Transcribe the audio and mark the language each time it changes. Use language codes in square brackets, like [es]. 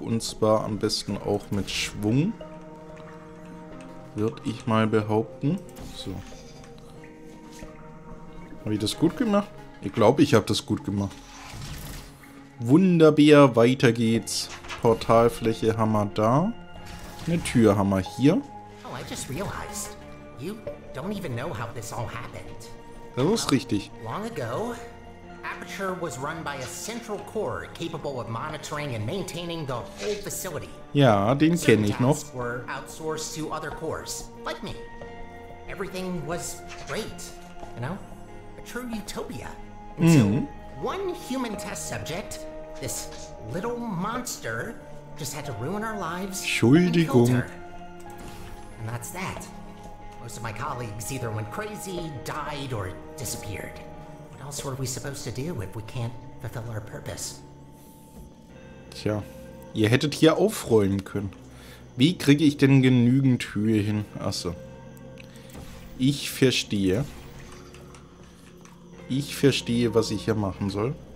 [de] Und zwar am besten auch mit Schwung. Würde ich mal behaupten. So. Habe ich das gut gemacht? Ich glaube, ich habe das gut gemacht. Wunderbar, weiter geht's. Portalfläche haben wir da. Eine Tür haben wir hier. Oh, ich habe gerade realisiert. [en] You don't even know how this all happened. [de] Das ist richtig. [en] Long ago, Aperture was run by a central core capable of monitoring and maintaining the whole facility. [de] Ja, den kenne ich noch. [en] Tasks were outsourced to other cores, like me. Everything was great, you know? A true utopia. Until one human test subject, this little monster, just had to ruin our lives. [de] Entschuldigung. [en] And that's that. Most of my colleagues either went crazy, died, or disappeared. What else were we supposed to do if we can't fulfill our purpose? [de] Tja, ihr hättet hier aufräumen können. Wie kriege ich denn genügend Höhe hin? Achso. Ich verstehe. Ich verstehe, was ich hier machen soll.